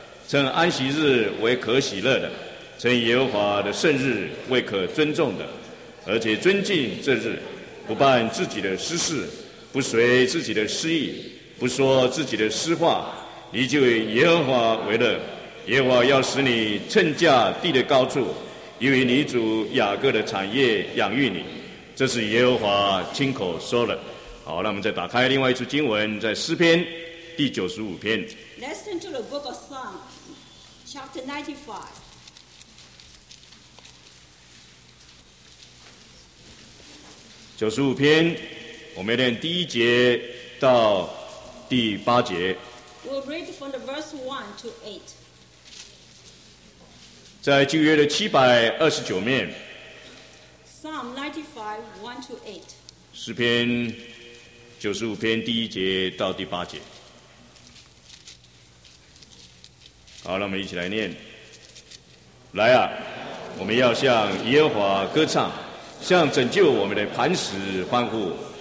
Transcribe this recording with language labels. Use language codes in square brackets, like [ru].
[zh] 称安息日为可喜乐的，称耶和华的圣日为可尊重的，而且尊敬这日，不办自己的私事，不随自己的私意，不说自己的私话，你就以耶和华为乐。耶和华要使你称价地的高处，因为你主雅各的产业养育你。这是耶和华亲口说的。好，那我们再打开另外一处经文，在诗篇第九十五篇。 [en] Let's turn to the book of Psalms, chapter 95. [zh] 九十五篇，我们念第一节到第八节。 [en] We'll read from the verse 1 to 8. [zh] 在旧约的七百二十九面。 [en] Psalm 95:1-8. [zh] 诗篇九十五篇第一节到第八节。好，那我们一起来念。来啊，我们要向耶和华歌唱，向拯救我们的磐石欢呼。